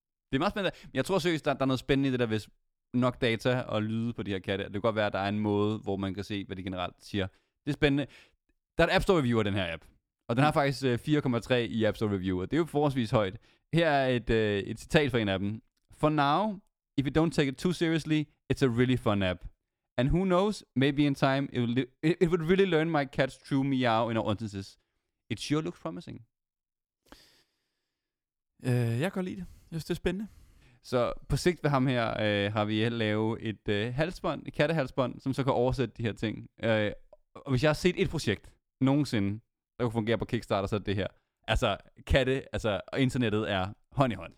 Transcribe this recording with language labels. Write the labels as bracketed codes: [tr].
[da] Det er meget spændende. Men jeg tror seriøst, der er noget spændende i det der, hvis nok data og lyde på de her katte. Det kan godt være, at der er en måde, hvor man kan se, hvad de generelt siger. Det er spændende. Der er et app store review af den her app. Og den har faktisk 4,3 i App Store Review, og det er jo forholdsvis højt. Her er et citat fra en af dem. [en] For now, if you don't take it too seriously, it's a really fun app. And who knows, maybe in time, it would really learn my cat's true meow in our instances. It sure looks promising. [da] Jeg kan lide det. Jeg synes, det er spændende. Så på sigt ved ham her, har vi lavet et halsbånd, et kattehalsbånd, som så kan oversætte de her ting. Og hvis jeg har set et projekt nogensinde, der kunne fungere på Kickstarter, så det her. Altså, katte, altså, og internettet er hånd i hånd.